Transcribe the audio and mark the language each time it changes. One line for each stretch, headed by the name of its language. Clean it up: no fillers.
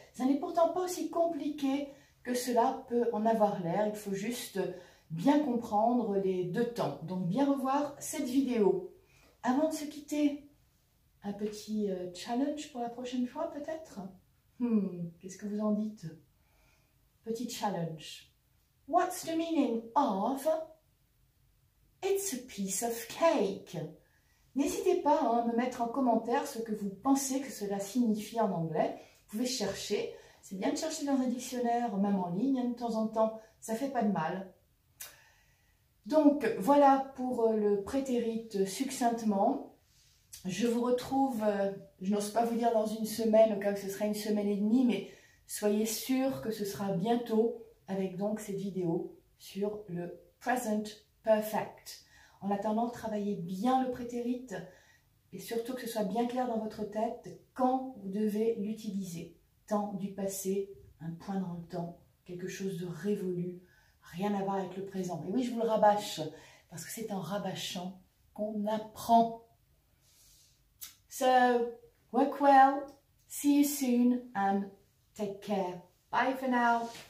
French: Ça n'est pourtant pas aussi compliqué que cela peut en avoir l'air, il faut juste bien comprendre les deux temps. Donc, bien revoir cette vidéo. Avant de se quitter, un petit challenge pour la prochaine fois, peut-être? Qu'est-ce que vous en dites? Petit challenge.
English: What's the meaning of it's a piece of cake?
French: N'hésitez pas à me mettre en commentaire ce que vous pensez que cela signifie en anglais. Vous pouvez chercher. C'est bien de chercher dans un dictionnaire, même en ligne, de temps en temps. Ça fait pas de mal. Donc, voilà pour le prétérit succinctement. Je vous retrouve, je n'ose pas vous dire dans une semaine, au cas où ce sera une semaine et demie, mais soyez sûr que ce sera bientôt avec donc cette vidéo sur le present perfect. En attendant, travaillez bien le prétérit, et surtout que ce soit bien clair dans votre tête quand vous devez l'utiliser. Temps du passé, un point dans le temps, quelque chose de révolu, rien à voir avec le présent. Et oui, je vous le rabâche, parce que c'est en rabâchant qu'on apprend.
English: So, work well, see you soon, and take care. Bye for now.